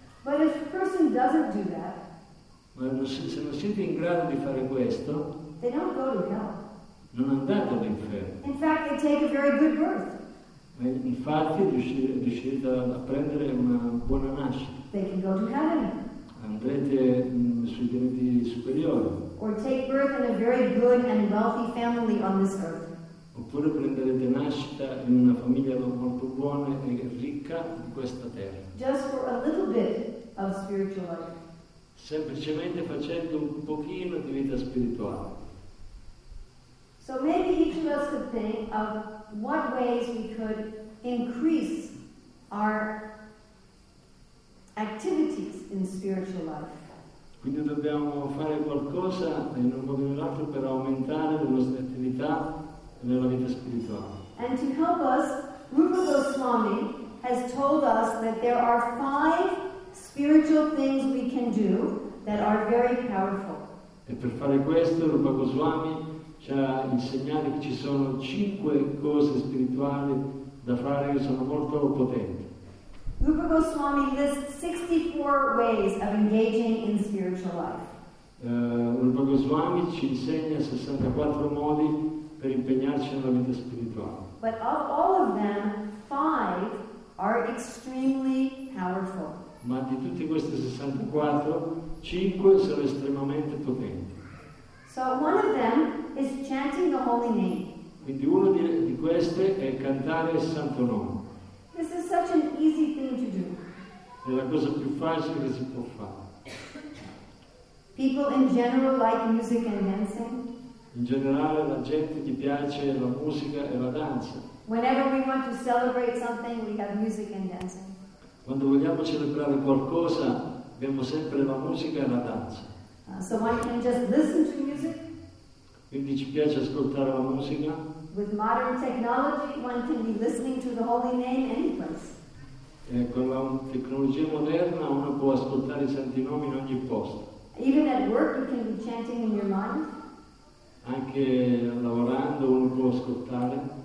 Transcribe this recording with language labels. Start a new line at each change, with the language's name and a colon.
English: But if a person doesn't do that,
Italian: ma se non siete in grado di fare questo,
English: they don't go to hell.
Italian: Non andate all'inferno.
English: In fact, they take a very good birth.
Italian: Infatti, riuscite a prendere una buona nascita.
English: They can go to heaven.
Italian: Andrete sui pianeti superiori.
English: Or take birth in a very good and wealthy family on this earth.
Italian: Oppure prenderete nascita in una famiglia molto buona e ricca di questa terra.
English: Just for a little bit of spiritual life.
Italian: Semplicemente facendo un pochino di vita spirituale.
English: So maybe each of us could think of what ways we could increase our activities in spiritual life.
Italian: Quindi dobbiamo fare qualcosa in un modo o nell'altro per aumentare le nostre attività nella vita spirituale.
English: And to help us, Rupa Goswami has told us that there are 5 spiritual things we can do that are very powerful.
Italian: E per fare questo, Rupa Goswami ci ha insegnato che ci sono 5 cose spirituali da fare che sono molto potenti.
English: Rupa Goswami lists 64 ways of engaging in spiritual life.
Italian: Rupa Goswami ci insegna 64 modi per impegnarci nella vita spirituale.
English: But of all of them, 5 are extremely powerful.
Italian: Ma di tutti questi 64, 5 sono estremamente potenti.
English: So one of them is chanting the holy name.
Italian: Quindi uno di queste è cantare il santo nome.
English: This is such an easy thing to do.
Italian: È la cosa più facile che si può fare.
English: People in general like music and dancing.
Italian: In generale la gente gli piace la musica e la danza.
English: Whenever we want to celebrate something, we have music and dancing.
Italian: Quando vogliamo celebrare qualcosa, abbiamo sempre la musica e la danza.
English: So one can just listen to music.
Italian: Quindi ci piace ascoltare la musica.
English: With modern technology, one can be listening to the holy name anyplace.
Italian: Con la tecnologia moderna, uno può ascoltare i santi nomi in ogni posto.
English: Even at work, you can be chanting in your mind.
Italian: Anche lavorando, uno può ascoltare.